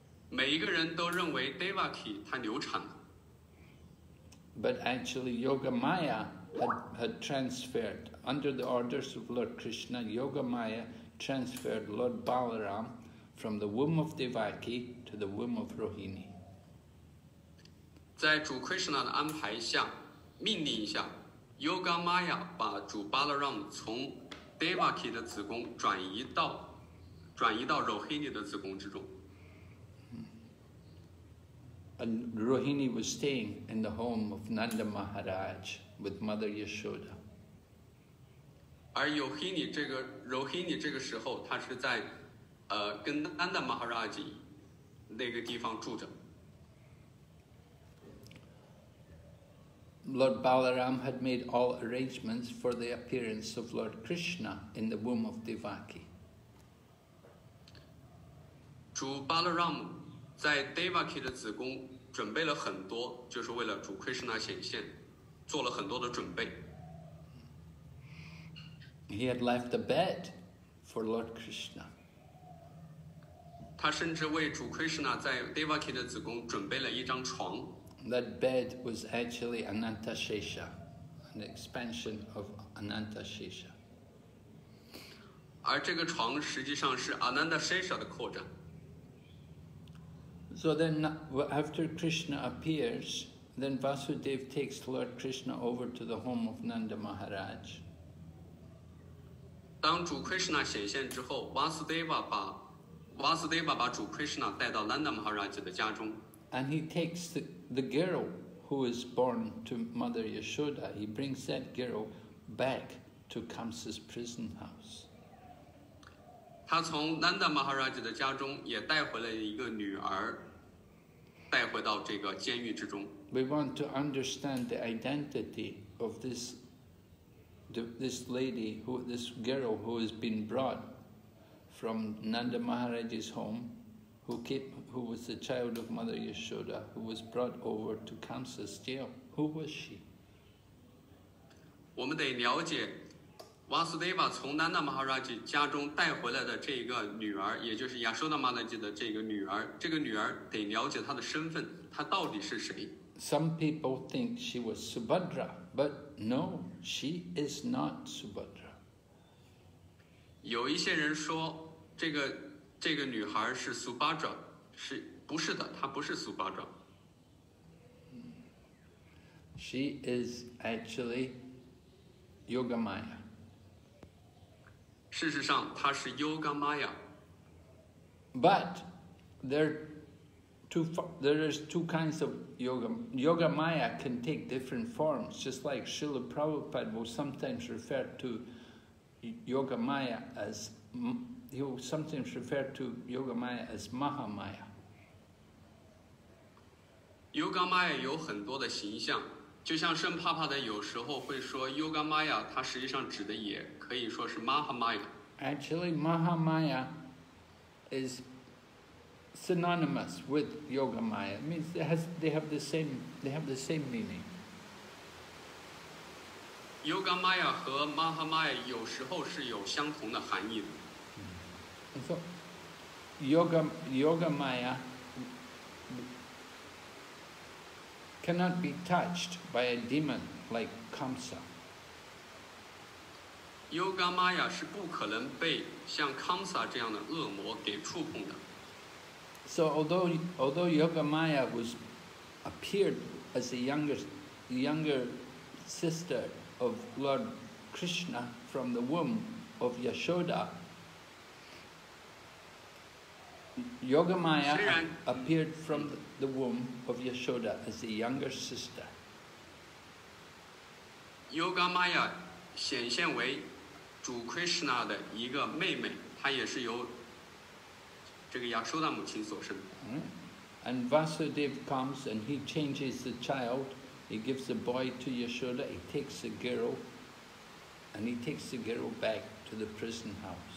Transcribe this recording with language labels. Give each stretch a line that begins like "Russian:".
Chinese: 每一个人都认为 Devaki 她流产了。
English: But actually, Yogamaya had transferred, under the orders of Lord Krishna, Yogamaya transferred Lord Balaram from the womb of Devaki to the womb of Rohini.
Chinese: 在主 Krishna 的安排下，命令下， Yogamaya 把主 Balaram 从 Devaki 的子宫转移到 Rohini 的子宫之中。
English: And Rohini was staying in the home of Nanda Maharaj with Mother Yashoda.
Chinese: 而 Rohini 这个时候，她是在，跟 Nanda Maharaj 那个地方住着。
English: Lord Balaram had made all arrangements for the appearance of Lord Krishna in the womb of Devaki.
Chinese: 主 Balaram 在 Devaki 的子宫。准备了很多，就是为了主 Krishna 显现，做了很多的准备。
English: He had left the bed for Lord Krishna.
Chinese: 他甚至为主 Krishna 在 Devaki 的子宫准备了一张床。
English: That bed was actually Anantashesha, an expansion of Anantashesha.
Chinese: 而这个床实际上是 Anantashesha 的扩展。
English: So then, after Krishna appears, then Vasudev takes Lord Krishna over to the home of Nanda Maharaj.
Chinese: 当主 Krishna 显现之后， Vasudeva 把主 Krishna 带到 Nanda Maharaj 的家中。
English: And he takes the girl who is born to Mother Yashoda. He brings that girl back to Kamsa's prison house.
Chinese: 他从 Nanda Maharaj 的家中也带回了一个女儿。带回到这个监狱之中。
English: We want to understand the identity of this lady, this girl who has been brought from Nanda Maharaj's home, who was the child of Mother Yashoda, who was brought over to Kamsa's jail. Who was she?
Chinese: 我们得了解 Vasudeva 从 Nanda Maharaj 家中带回来的这个女儿，也就是 Yashoda Maharaj 的这个女儿。这个女儿得了解她的身份，她到底是谁。
English: Some people think she was Subhadra, but no, she is not Subhadra.
Chinese: 有一些人说这个女孩是 Subhadra, 是不是的？她不是 Subhadra.
English: She is actually Yogamaya.
Chinese: 事实上，他是 Yogamaya。
English: But there are two kinds of yoga. Yogamaya can take different forms, just like Srila Prabhupada will sometimes refer to Yogamaya as he will sometimes refer to Yogamaya as Mahamaya.
Chinese: Yogamaya 有很多的形象，就像圣帕帕的有时候会说 Yogamaya， 它实际上指的也可以说是 Mahamaya。
English: Actually, Mahamaya is synonymous with Yogamaya. It means they have the same meaning.
Chinese: Yogamaya 和 Mahamaya 有时候是有相同的含义的。
English: So, Yogamaya cannot be touched by a demon like Kamsa.
Chinese: Yogamaya 是不可能被像 Kamsa 这样的恶魔给触碰的。
English: So although Yogamaya appeared as the younger sister of Lord Krishna from the womb of Yashoda, Yogamaya appeared from the womb of Yashoda as the younger sister.
Chinese: Yogamaya 显现为主 Krishna 的一个妹妹，她也是由这个 Yashoda 母亲所生。
English: And Vasudev comes and he changes the child. He gives the boy to Yashoda. He takes the girl, and he takes the girl back to the prison house.